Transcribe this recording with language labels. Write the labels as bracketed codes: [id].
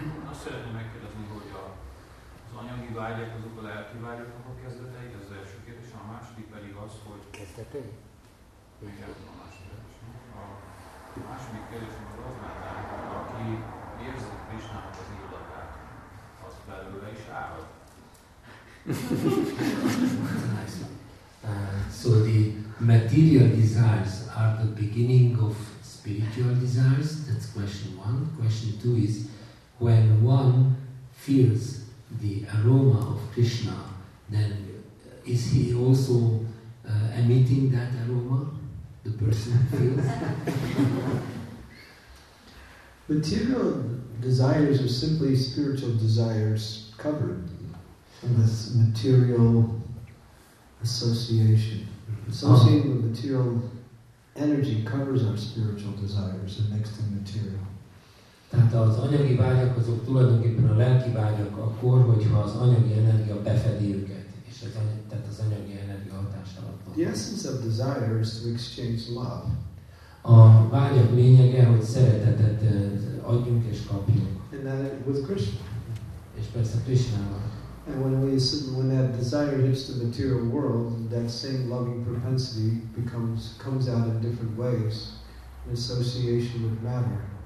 [hu] Azt szeretném megkérdezni, hogy az anyagi vágyak azok a lelki vágyaknak a kezdetei, az első kérdés, a második pedig az, hogy... Kezdetei? Igen, a második kérdés. A második kérdésünk az az, mert aki érzi Krisnának az illatát, az belőle is árad. [en] So the material desires are the beginning of spiritual desires, that's question one. Question two is, when one feels the aroma of Krishna, then is he also emitting that aroma, the person feels? Material desires are simply spiritual desires covered with material association. Associating with material energy covers our spiritual desires and makes them material. [hu] Tehát az anyagi vágyak azok tulajdonképpen a lelki vágyak akkor, hogyha az anyagi energia befedi őket, és az anyagi, tehát az anyagi energia hatás alatt van. [en] The essence of desire is to exchange love. [hu] A vágyak lényege, hogy szeretetet adjunk és kapjunk. [en] And that with Krishna. [hu] És persze Krishnával. [en] And when that desire hits the material world, that same loving propensity comes out in different ways, in association with matter.